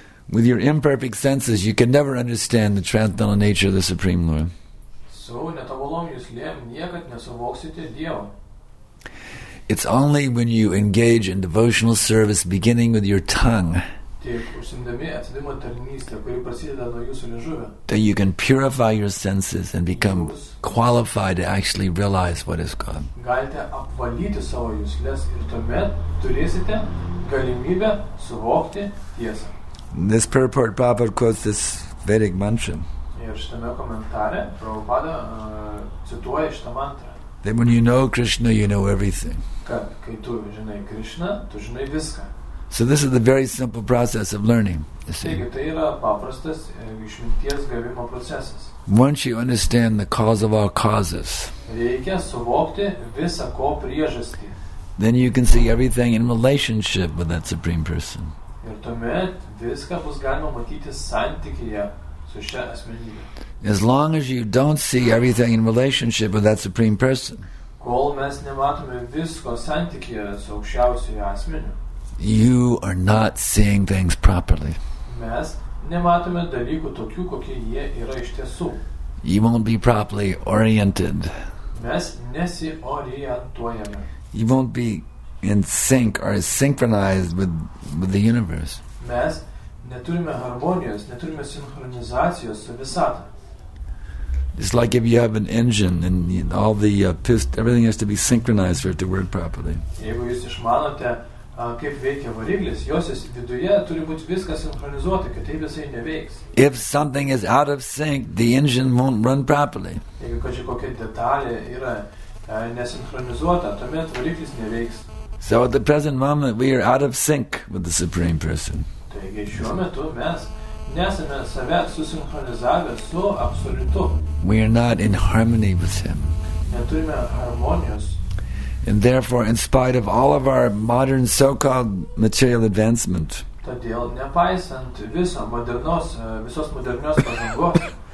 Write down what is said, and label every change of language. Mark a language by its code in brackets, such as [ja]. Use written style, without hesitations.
[en] With your imperfect senses, you can never understand the transcendental nature of the Supreme Lord. [lt] So, netobulom juslėm niekad nesuvoksite Dievo. [en] It's only when you engage in devotional service beginning with your tongue that you can purify your senses and become qualified to actually realize what is God. [lt] Galite apvalyti savo jusles ir tuomet turėsite galimybę suvokti tiesą. [en] This purport Prabhupada quotes this Vedic mantra. [lt] Ir šitame komentare Prabhupada cituoja šitą mantrą. [en] Then when you know Krishna, you know everything. [lt] Kad kai tu žinai Krishna, tu žinai viską. [en] So this is the very simple process of learning. [lt] Taigi, tai yra paprastas išminties gavimo procesas. [en] Once you understand the cause of all causes, [lt] reikia suvokti visą ko priežastį. [en] Then you can see everything in relationship with that Supreme Person. [lt] Ir tuomet viską bus galima matyti santykyje su šia asmenybe. [en] As long as you don't see everything in relationship with that Supreme Person, [lt] kol mes nematome visko santykyje su aukščiausiuoju asmeniu, [en] you are not seeing things properly. [lt] Mes nematome dalykų tokių, kokie jie yra iš tiesų. [en] You won't be properly oriented. [lt] Mes nesiorientuojame. [en] You won't be in sync or synchronized with the universe. [lt] Mes neturime harmonijos, neturime sinchronizacijos su visata. [en] It's like if you have an engine and all the pistons, everything has to be synchronized for it to work properly. [lt] Jeigu jūs išmanote, kaip veikia variklis, jos viduje turi būti viskas sinchronizuota, kad tai visai neveiks. [en] If something is out of sync, the engine won't run properly. [lt] Jeigu kažkokia detalė yra nesinchronizuota, tuomet variklis neveiks. [en] So at the present moment, we are out of sync with the Supreme Person. [lt] Taigi šiuo metu mes nesame save susinchronizavę su absoliutu. [en] We are not in harmony with him. [lt] Neturime harmonijos. [en] And therefore, in spite of all of our modern so-called material advancement, [lt] todėl nepaisant visos modernios pažangos,